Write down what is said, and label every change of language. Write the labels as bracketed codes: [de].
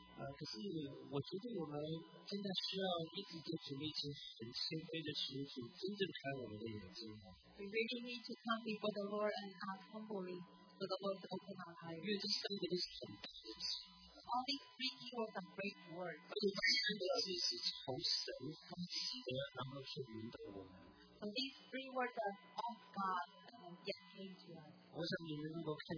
[zh] 可是我觉得我们真的需要一直在主面前很谦卑的求主真正开我们的眼睛。We [en] really need to come before the Lord and ask humbly for the Lord to open our eyes. [zh] 因为这三个都是很大的事情。All [en] these three keywords are great words. [zh] 而且这三个是从神发出的，然后是引导我们。 [en] So these three words are of God and yet came to us.